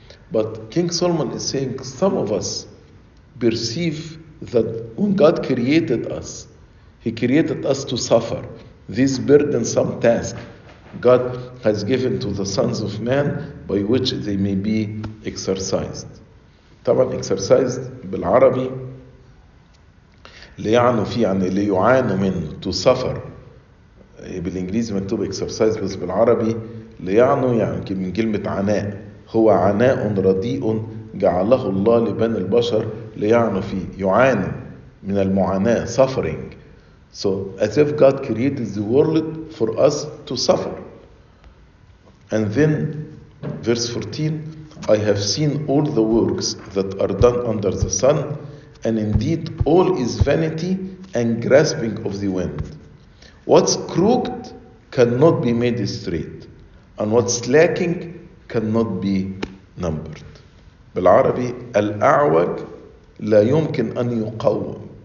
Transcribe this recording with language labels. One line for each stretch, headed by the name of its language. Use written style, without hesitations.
English: But King Solomon is saying some of us perceive that when God created us, He created us to suffer. This burdensome task God has given to the sons of man by which they may be exercised.
Arabic: طبعاً exercised بالعربي ليعنوا فيه يعني ليعانوا منه
English: to suffer.
Arabic: بالإنجليزي مكتوب exercise بس بالعربي ليعنوا يعني من كلمة عناء هو عناء رديء جعله الله لبني البشر ليعنوا فيه يعاني من المعاناة suffering.
English: So as if God created the world for us to suffer. And then verse 14, I have seen all the works that are done under the sun, and indeed all is vanity and grasping of the wind. What's crooked cannot be made straight, and what's lacking cannot be numbered.
Arabic: بالعربي الأعوج لا يمكن أن يقوم.